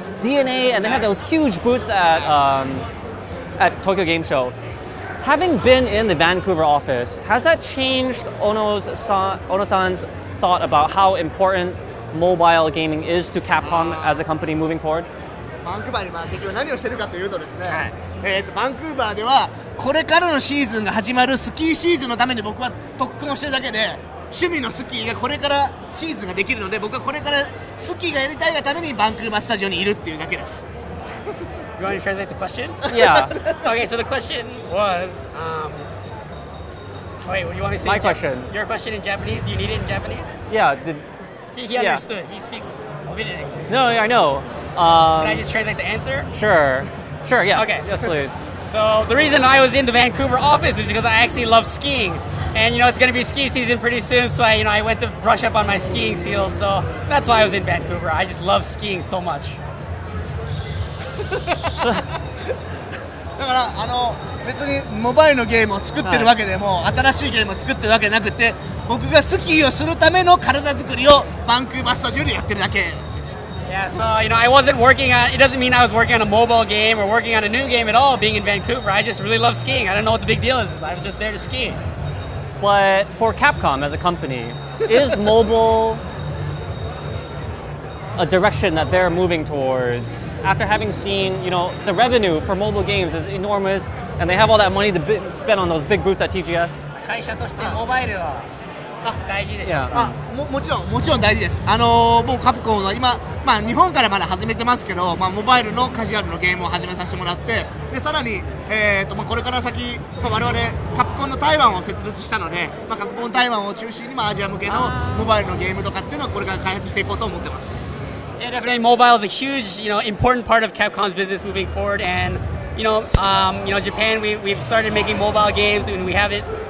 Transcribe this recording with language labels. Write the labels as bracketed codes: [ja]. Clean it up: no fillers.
[en] DNA, and they had those huge booths at Tokyo Game Show. Having been in the Vancouver office, has that changed Ono-san's thought about how important mobile gaming is to Capcom as a company moving forward? [ja] バンクーバーではこれからのシーズンが始まるスキーシーズンのために僕は特訓をしてるだけで、趣味のスキーがこれからシーズンができるので、僕はこれからスキーがやりたいがためにバンクーバースタジオにいるっていうだけです。 [en] You want to translate the question? Yeah. Okay, so the question was, wait, what do you want me to say? My question. Your question in Japanese? Do you need it in Japanese? Yeah. He understood. Yeah. He speaks a bit in English. No, yeah, I know. Can I just translate the answer? Sure, yes. Okay. Yes, please. So the reason I was in the Vancouver office is because I actually love skiing. And, you know, it's going to be ski season pretty soon, so I went to brush up on my skiing skills. So that's why I was in Vancouver. I just love skiing so much. [ja] だからあの別にモバイルのゲームを作ってるわけでも、はい、新しいゲームを作ってるわけなくて僕がスキーをするための体作りをバンクーバースタジオでやってるだけです。 [en] Yeah, so you know, I wasn't working on, it doesn't mean I was working on a mobile game or working on a new game at all being in Vancouver. I just really love skiing. I don't know what the big deal is. I was just there to ski. But for Capcom as a company, is mobile a direction that they're moving towards? After having seen, you know, the revenue for mobile games is enormous, and they have all that money to spend on those big booths at TGS. [ja] 会社としてモバイルは大事でしょ。 [en] Yeah. [ja] もちろん大事です。もうカプコンは今、まあ日本からまだ始めてますけど、まあモバイルのカジュアルのゲームを始めさせてもらって、でさらにまあこれから先、まあ、我々カプコンの台湾を設立したので、まあカプコン台湾を中心にまあアジア向けのモバイルのゲームとかっていうのをこれから開発していこうと思ってます。 [en] Yeah, definitely. Mobile is a huge, you know, important part of Capcom's business moving forward. And, you know, Japan, we've started making mobile games and we have it.